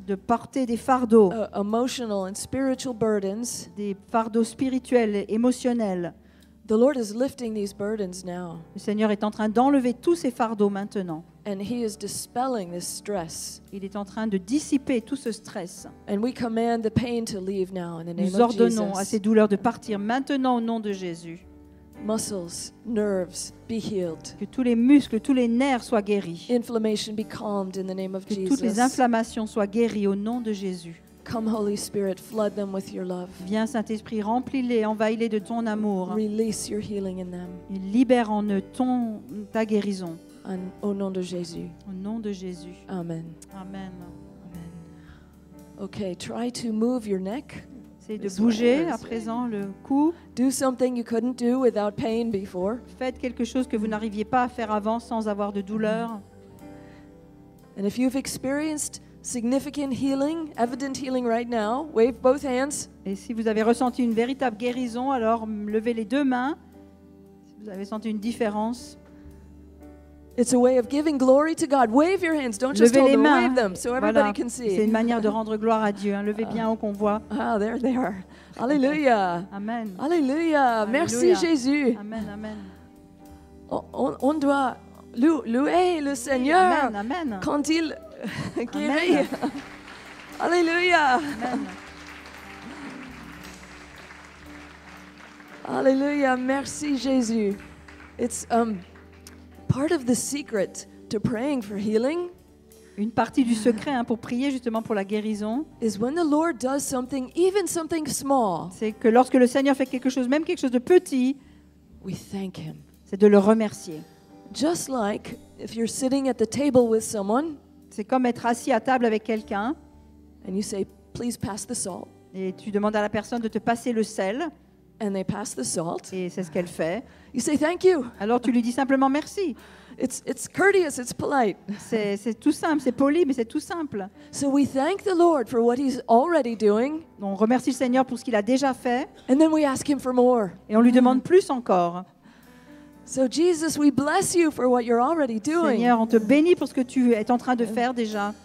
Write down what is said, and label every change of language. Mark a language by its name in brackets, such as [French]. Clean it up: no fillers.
[French] de porter des fardeaux, [English] emotional and spiritual burdens, [French] des fardeaux spirituels et émotionnels. [English] The Lord is lifting these burdens now. [French] Le Seigneur est en train d'enlever tous ces fardeaux maintenant. [English] And he is dispelling this stress. [French] Il est en train de dissiper tout ce stress. [English] And we command the pain to leave now in the name of Jesus. [French] Nous ordonnons à ces douleurs de partir maintenant au nom de Jésus. [English] muscles, nerves be healed. [French] Que tous les muscles, tous les nerfs soient guéris. [English] Inflammation be calmed in the name of [French] que [English] Jesus. [French] Que toutes les inflammations soient guéries au nom de Jésus. [English] Come Holy Spirit, flood them with your love. [French] Viens Saint-Esprit, remplis-les, envahis-les de ton amour. [English] Release your healing in them. [French] Et libère en eux ta guérison. And, au nom de Jésus. Au nom de Jésus. Amen. Amen. [English] Amen. Okay, try to move your neck. [French] Essayez de bouger à présent le cou. [English] Do something you couldn't do without pain before. [French] Faites quelque chose que vous n'arriviez pas à faire avant sans avoir de douleur. [English] And if you've experienced significant healing, evident healing right now, wave both hands. [French] Et si vous avez ressenti une véritable guérison, alors levez les deux mains. Si vous avez senti une différence. [English] It's a way of giving glory to God. Wave your hands. Don't just hold them. Wave them so everybody [French] voilà. [English] Can see. [French] C'est une manière de rendre gloire à Dieu. Levez bien haut qu'on voit. [English] Ah, there they are. Alléluia. Amen. [French] Alléluia. Merci Jésus. Amen. Amen. On doit louer le Seigneur. Amen. Amen. Quand il guérit. Alléluia. Alléluia. Merci Jésus. [English] It's part of the secret to praying for healing. [French] Une partie du secret pour prier justement pour la guérison. [English] Is when the Lord does something, even something small. [French] C'est que lorsque le Seigneur fait quelque chose, même quelque chose de petit, [English] we thank him. [French] C'est de le remercier. [English] Just like if you're sitting at the table with someone. [French] C'est comme être assis à table avec quelqu'un. [English] And you say, please pass the salt. [French] Et tu demandes à la personne de te passer le sel. [English] And they pass the salt. [French] Et c'est ce qu'elle fait. [English] You say thank you. [French] Alors tu lui dis simplement merci. [English] It's courteous, it's polite. [French] C'est tout simple, c'est poli, mais c'est tout simple. [English] So we thank the Lord for what he's already doing. [French] On remercie le Seigneur pour ce qu'il a déjà fait. [English] And then we ask him for more. [French] Et on lui demande plus encore. [English] So Jesus, we bless you for what you're already doing. [French] Seigneur, on te bénit pour ce que tu es en train de faire déjà.